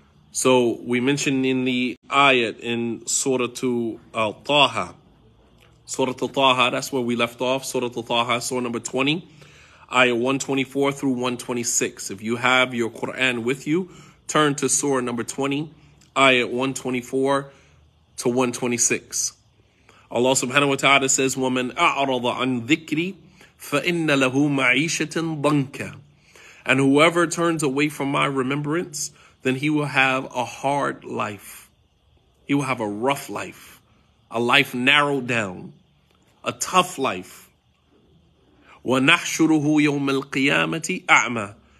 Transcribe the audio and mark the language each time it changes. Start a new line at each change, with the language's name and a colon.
English: So we mentioned in the ayat in Surah Al-Taha, that's where we left off, Surah Al-Taha, Surah number 20, ayah 124 through 126. If you have your Quran with you, turn to Surah number 20, ayah 124 to 126. Allah subhanahu wa ta'ala says,
Arabic: وَمَنْ أَعْرَضَ عَنْ ذِكْرِي فَإِنَّ لَهُ مَعِيشَةٍ ضَنْكًا.
English: And whoever turns away from my remembrance, then he will have a hard life. He will have a rough life, a life narrowed down, a tough life.
Arabic: وَنَحْشُرُهُ يَوْمَ الْقِيَامَةِ أَعْمَى.